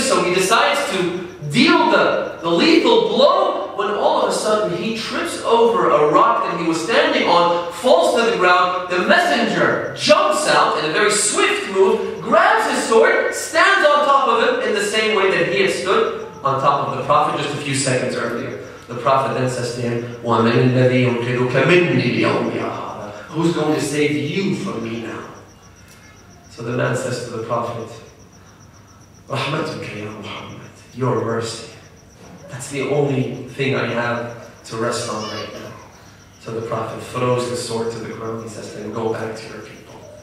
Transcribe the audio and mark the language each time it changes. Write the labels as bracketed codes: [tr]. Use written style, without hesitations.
[en] So he decides to deal the lethal blow, when all of a sudden he trips over a rock that he was standing on, falls to the ground. The Messenger jumps out in a very swift move, grabs his sword, stands on top of him in the same way that he had stood on top of the Prophet just a few seconds earlier. [ar] The Prophet then says to him, وَمَنْ الَّذِي يُنْقِذُكَ مِنِّي الْيَوْمِ يَا هَذَا. [en] Who's going to save you from me now? So the man says to the Prophet, [ar] رَحْمَتُكَ يَا مُحَمَّدْ. [en] Your mercy. That's the only thing I have to rest on right now. So the Prophet throws the sword to the ground. He says to him, go back to your people.